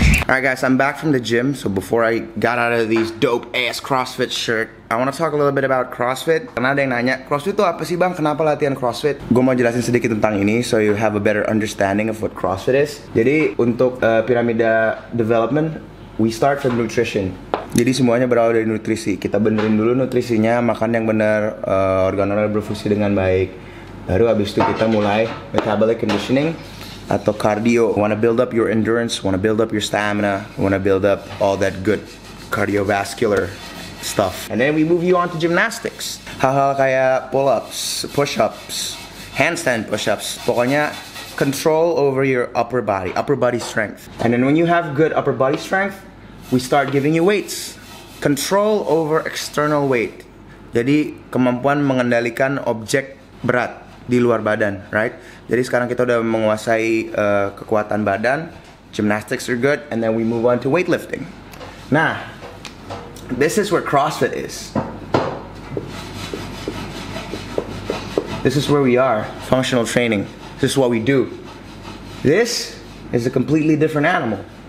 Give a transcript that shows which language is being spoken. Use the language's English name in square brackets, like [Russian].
[English] Alright guys, I'm back from the gym, so before I got out of these dope ass CrossFit shirt, I wanna talk a little bit about CrossFit. [Indonesian] Karena ada yang nanya, CrossFit itu apa sih bang? Kenapa latihan CrossFit? Gua mau jelasin sedikit tentang ini, [English] so you have a better understanding of what CrossFit is. [Indonesian] Jadi, untuk piramida [English] development, we start from nutrition. [Indonesian] Jadi semuanya berawal dari nutrisi. Kita benerin dulu nutrisinya, makan yang bener, organ-organ berfungsi dengan baik. Baru abis itu kita mulai [English] metabolic conditioning. Atau cardio, wanna build up your endurance, wanna build up your stamina, wanna build up all that good cardiovascular stuff. And then we move you on to gymnastics. [Indonesian] Hal-hal kayak [English] pull-ups, push-ups, handstand push-ups, pokoknya control over your upper body strength. And then when you have good upper body strength, we start giving you weights. Control over external weight. [Indonesian] Jadi kemampuan mengendalikan objek berat di luar badan, right? Jadi sekarang kita udah menguasai kekuatan badan. [English] Gymnastics are good, and then we move on to weightlifting. Nah, this is where CrossFit is. This is where we are, functional training. This is what we do. This is a completely different animal.